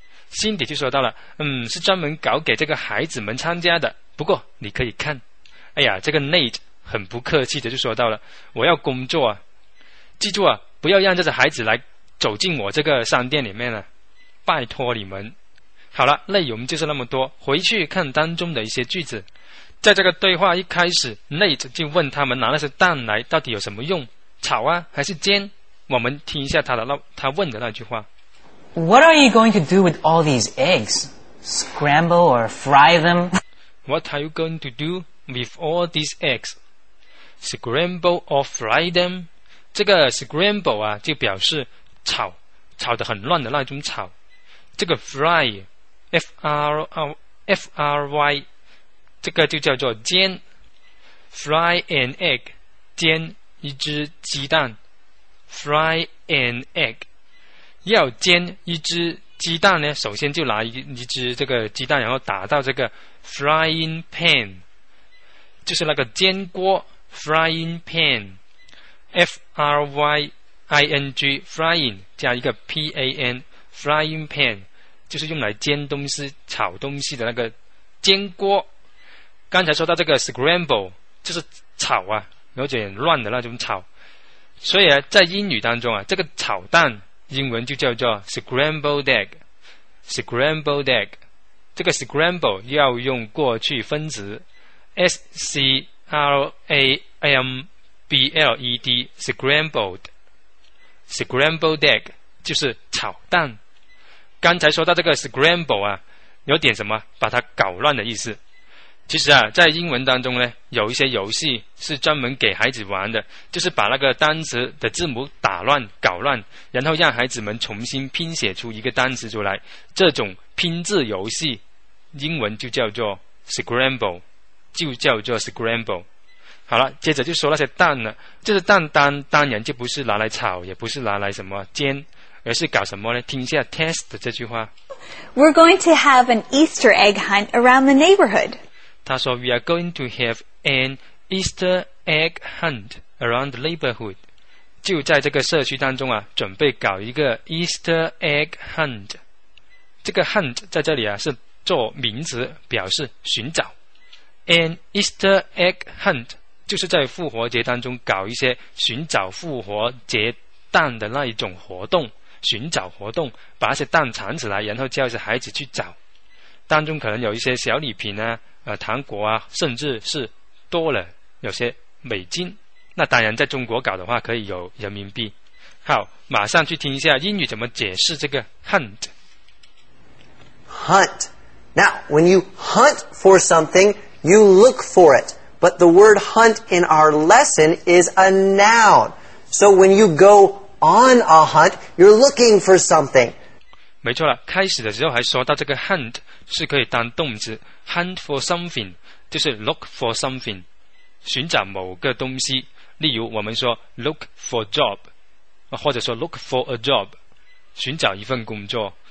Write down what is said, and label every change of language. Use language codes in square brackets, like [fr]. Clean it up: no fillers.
[zh] Cindy 就说到了，是专门搞给这个孩子们参加的，不过你可以看，哎呀，这个内子很不客气的就说到了，我要工作啊，记住啊，不要让这个孩子来走进我这个商店里面啊，拜托你们。好了，内容就是那么多，回去看当中的一些句子。在这个对话一开始， Nate 就问他们拿那些蛋来到底有什么用，炒啊还是煎。我们听一下他问的那句话。 [en] What are you going to do with all these eggs? Scramble or fry them? What are you going to do with all these eggs? Scramble or fry them? [zh] 这个 scramble 啊，就表示炒，炒得很乱的那种炒。这个 fry, F-R-Y, 这个就叫做煎。 [en] Fry an egg, [zh] 煎一只鸡蛋。 [en] Fry an egg, [zh] 要煎一只鸡蛋呢，首先就拿 一只这个鸡蛋，然后打到这个 frying pan, 就是那个煎锅。 Frying pan, F-R-Y-I-N-G, frying 加一个 P-A-N, frying pan 就是用来煎东西、炒东西的那个煎锅。刚才说到这个 scramble 就是炒啊，有点乱的那种炒。所以啊，在英语当中啊，这个炒蛋英文就叫做 scrambled egg, scrambled egg。这个 scramble 要用过去分词 S-C. [en] R-A-M-B-L-E-D Scrambled Scrambled egg [zh] 就是炒蛋。刚才说到这个 scramble 啊，有点什么把它搞乱的意思。其实啊，在英文当中呢，有一些游戏是专门给孩子玩的，就是把那个单词的字母打乱搞乱，然后让孩子们重新拼写出一个单词出来。这种拼字游戏英文就叫做 scramble就叫做 scramble。好了，接着就说那些蛋了，就是蛋当然就不是拿来炒，也不是拿来什么煎，而是搞什么呢？听一下 test 的这句话。 [en] We're going to have an Easter egg hunt around the neighborhood. [zh] 他说 [en] We are going to have an Easter Egg Hunt around the neighborhood. [zh] 就在这个社区当中啊，准备搞一个 Easter Egg Hunt。这个 hunt 在这里啊是做名词，表示寻找。 An Easter Egg Hunt 就是在复活节当中搞一些寻找复活节蛋的那一种活动，寻找活动，把一些蛋藏起来，然后叫一些孩子去找。当中可能有一些小礼品啊，糖果啊，甚至是多了有些美金。那当然在中国搞的话可以有人民币。好，马上去听一下英语怎么解释这个 hunt。 [en] Hunt. Now, when you hunt for something, you look for it. But the word hunt in our lesson is a noun. So when you go on a hunt, you're looking for something. [zh] 没错了，开始的时候还说到这个 hunt 是可以当动词， [en] hunt for something [zh] 就是 [en] look for something， [zh] 寻找某个东西。例如我们说 [en] look for job， [zh] 或者说 [en] look for a job， [zh] 寻找一份工作。